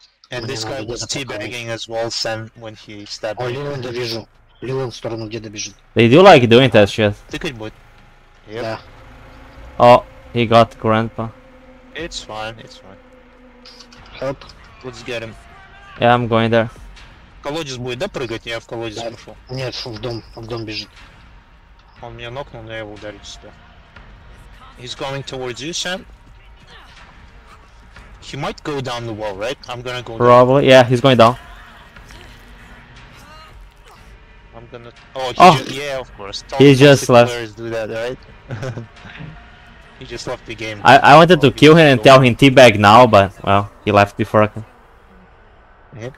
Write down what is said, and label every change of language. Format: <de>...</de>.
<en>And this guy was teabagging as well, Sam, when he stabbed him.</en> <ru>О, Лилан довижу. Лилан в сторону деда бежит.</ru> <en>They do like doing that shit.</en> <ru>Тыкать будет.</ru> <en>Yep.</en> <ru>Да.</ru> <en>Oh, he got grandpa. It's fine. Help. Let's get him. Yeah, I'm going there.</en> <ru>Колодец будет, да, прыгать? Я в колодец пошел. Нет, в дом бежит. Он меня нокнул, но я его ударил сюда.</ru> <en>He's coming towards you, Sam. He might go down the wall, right? I'm gonna go down. Probably, yeah, he's going down. I'm gonna. Oh, he just left. He just left the game. I wanted to kill him and tell him teabag now, but well, he left before I can.</en>